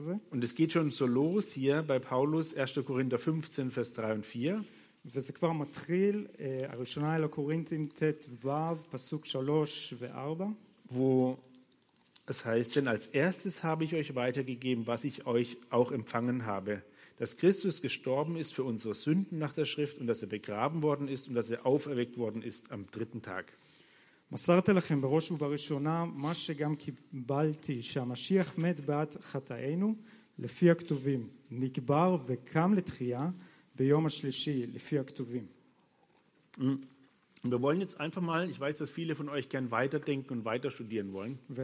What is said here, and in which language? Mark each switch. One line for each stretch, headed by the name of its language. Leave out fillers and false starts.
German: Und es geht schon so los hier bei Paulus, 1. Korinther 15, Vers 3 und 4.
Hebrew: וזה כבר מתחיל, הראשונה אל הקורינטים, תת וו, פסוק 3 ו-4.
German: Es heißt, denn als erstes habe ich euch weitergegeben, was ich euch auch empfangen habe, dass Christus gestorben ist für unsere Sünden nach der Schrift und dass er begraben worden ist und dass er auferweckt worden ist am dritten Tag.
Hebrew: מסרתי לכם בראש ובראשונה מה שגם קיבלתי, שהמשיח מת בעד חטאינו, לפי הכתובים, נקבר וקם לתחייה ביום השלישי, לפי הכתובים.
German: Wir wollen jetzt einfach mal, ich weiß, dass viele von euch gern weiterdenken und weiter studieren wollen.